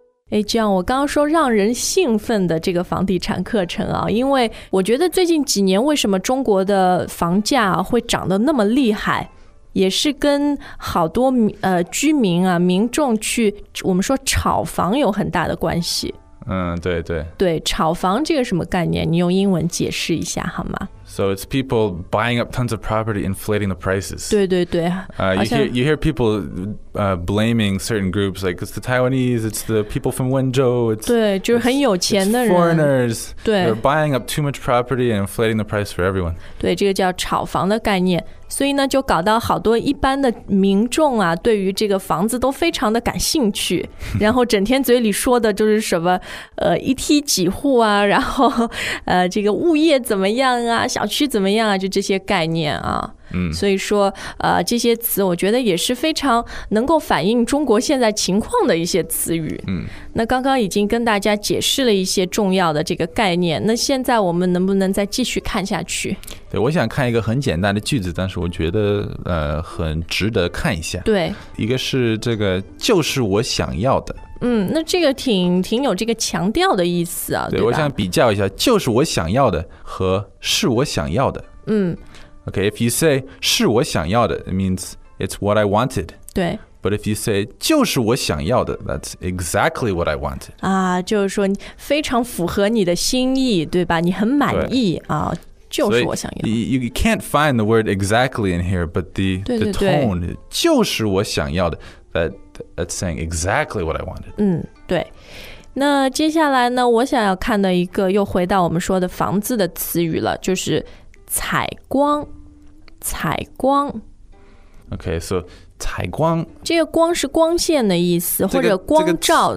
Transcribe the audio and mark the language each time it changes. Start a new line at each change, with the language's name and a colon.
Chinese: 哎，这样我刚刚说让人兴奋的这个房地产课程啊，因为我觉得最近几年为什么中国的房价会涨得那么厉害，也是跟好多居民啊民众去我们说炒房有很大的关系。嗯，对对对，炒房这个什么概念，你用英文解释一下好吗？
English: So it's people buying up tons of property, inflating the prices.
Chinese: 对对对。
English: You hear people blaming certain groups, like it's the Taiwanese, it's the people from Wenzhou, it's,
Chinese: 对，就是很有钱的人。
English: Foreigners.
Chinese: 对。 They're buying up too much property and inflating the price for everyone. 对，这个叫炒房的概念。所以呢，就搞到好多一般的民众啊，对于这个房子都非常的感兴趣，然后整天嘴里说的就是什么，一梯几户啊，然后，这个物业怎么样啊，小区怎么样啊，就这些概念啊。嗯，所以说，这些词我觉得也是非常能够反映中国现在情况的一些词语。嗯，那刚刚已经跟大家解释了一些重要的这个概念，那现在我们能不能再继续看下去？对，我想看一个很简单的句子，但是我觉得很值得看一下。对，一个是这个，就是我想要的。嗯，那这个挺有这个强调的意思啊。对，对，我想比较一下，就是我想要的和是我想要的。嗯
English: ，OK， if you say
Chinese: 是我想要的
English: ，it means it's what I wanted。
Chinese: 对。
English: But if you say
Chinese: 就是我想要的
English: That's exactly what I wanted
Chinese: 啊，就是说非常符合你的心意，对吧？你很满意啊。就是我想要。
English: You can't find the word exactly in here, but the tone
Chinese: 就是我想要的。
English: That's saying exactly what I wanted.
Chinese: 嗯，对。那接下来呢，我想要看的一个又回到我们说的房子的词语了，就是采光。采光。
English: Okay, so采光。
Chinese: 这个光是光线的意思，或者光照。